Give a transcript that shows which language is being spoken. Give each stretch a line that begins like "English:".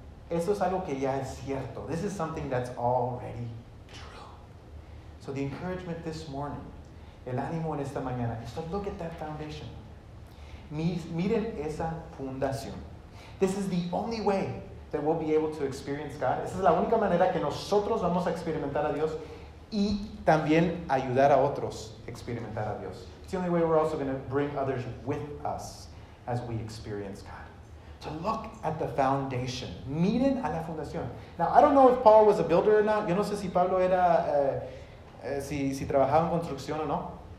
Spanish: Eso es algo que ya es cierto.
English: This is something that's already true. So the encouragement this morning,
Spanish: el ánimo en esta mañana,
English: is to look at that foundation.
Spanish: Miren esa fundación.
English: This is the only way that we'll be able to experience God.
Spanish: Esa es la única manera que nosotros vamos a experimentar a Dios y también ayudar a otros a experimentar a Dios.
English: It's the only way we're also going to bring others with us as we experience God. To look at the foundation.
Spanish: Miren a la fundación.
English: Now, I don't know if Paul was a builder or not.
Spanish: Yo no sé si Pablo era, si trabajaba en construcción o no.